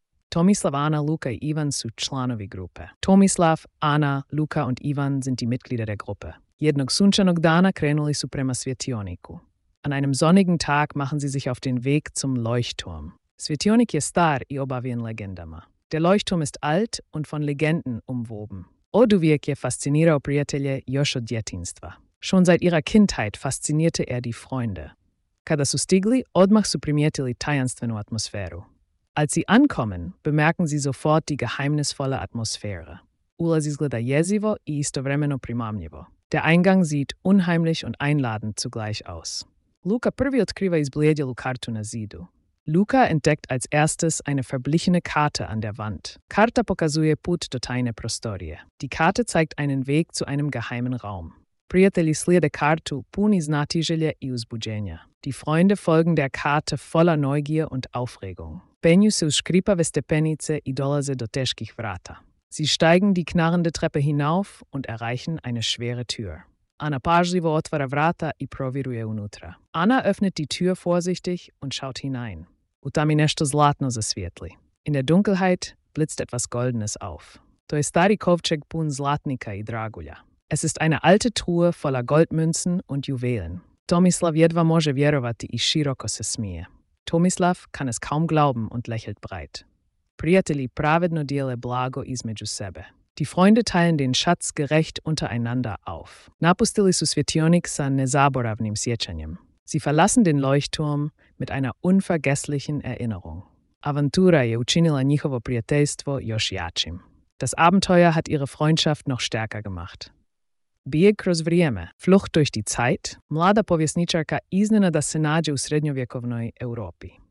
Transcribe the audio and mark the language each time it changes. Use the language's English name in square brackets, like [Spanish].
[Croatian] Tomislav, Ana, Luka i Ivan su članovi grupe. [German] Tomislav, Ana, Luka und Ivan sind die Mitglieder der Gruppe. [Croatian] Jednog sunčanog dana krenuli su prema svjetioniku. [German] An einem sonnigen Tag machen sie sich auf den Weg zum Leuchtturm. [Croatian] Svjetionik je star i obavijen legendama. [German] Der Leuchtturm ist alt und von Legenden umwoben. [Croatian] Oduvijek je fascinirao prijatelje još od djetinstva. [German] Schon seit ihrer Kindheit faszinierte er die Freunde. [Croatian] Kada su stigli, odmah su primijetili tajanstvenu atmosferu. [German] Als sie ankommen, bemerken sie sofort die geheimnisvolle Atmosphäre. [Croatian] Ulaz izgleda jezivo i istovremeno primamljivo. [German] Der Eingang sieht unheimlich und einladend zugleich aus. [Croatian] Luka prvi otkriva izblijedjelu kartu na zidu. [German] Luka entdeckt als erstes eine verblichene Karte an der Wand. [Croatian] Karta pokazuje put do tajne prostorije. [German] Die Karte zeigt einen Weg zu einem geheimen Raum. [Croatian] Prijatelji slijede kartu puni znatiželje i uzbuđenja. [German] Die Freunde folgen der Karte voller Neugier und Aufregung. [Croatian] Penju se u škripave stepenice i dolaze do teških vrata. [German] Sie steigen die knarrende Treppe hinauf und erreichen eine schwere Tür. [Croatian] Anna pažljivo otvara vrata i proviruje unutra. [German] Anna öffnet die Tür vorsichtig und schaut hinein. [Croatian] U tami nešto zlatno zasvijetli. [German] In der Dunkelheit blitzt etwas Goldenes auf. [Croatian] To je stari kovčeg pun zlatnika i dragulja. [German] Es ist eine alte Truhe voller Goldmünzen und Juwelen. [Croatian] Tomislav jedva može vjerovati i široko se smije. [German] Tomislav kann es kaum glauben und lächelt breit. [Croatian] Prijatelji pravedno dijele blago između sebe. [German] Die Freunde teilen den Schatz gerecht untereinander auf. [Croatian] Napustili su svjetionik sa nezaboravnim sjećanjem. [German] Sie verlassen den Leuchtturm mit einer unvergesslichen Erinnerung. [Croatian] Avantura je učinila njihovo prijateljstvo još jačim. [German] Das Abenteuer hat ihre Freundschaft noch stärker gemacht. [Croatian] Bijeg kroz vrijeme, [German] flucht durch die Zeit, [Croatian] mlada povjesničarka iznenada se nađe u srednjovjekovnoj Europi.